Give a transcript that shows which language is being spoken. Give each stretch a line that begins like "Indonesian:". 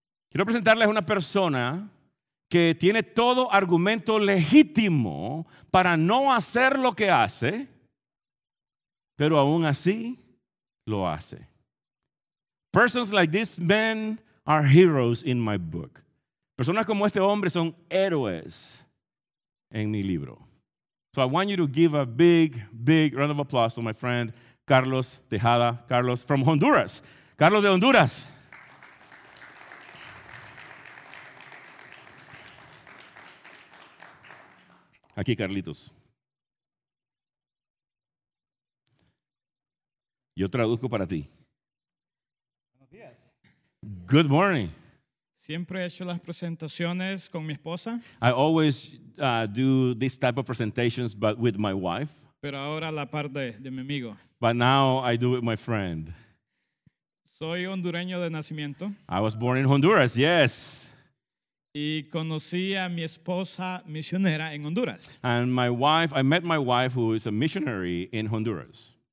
Spanish: Quiero presentarles a una persona que tiene todo argumento legítimo para no hacer lo que hace, pero aún así lo hace.
English: Persons like this men are heroes in my book.
Spanish: Personas como este hombre son héroes en mi libro.
English: So I want you to give a big, big round of applause to my friend Carlos Tejada. Carlos from Honduras.
Spanish: Carlos de Honduras. Aquí, Carlitos. Yo traduzco para ti. Buenos días.
English: Good morning.
Spanish: Siempre he hecho las presentaciones con mi esposa.
English: I always do this type of presentations, but with my wife.
Spanish: Pero ahora la parte de mi amigo.
English: But now I do it with my friend.
Spanish: Soy hondureño de nacimiento.
English: I was born in Honduras, yes.
Spanish: Y conocí a mi esposa misionera en Honduras.
English: And my wife, I met my wife who is a missionary in Honduras.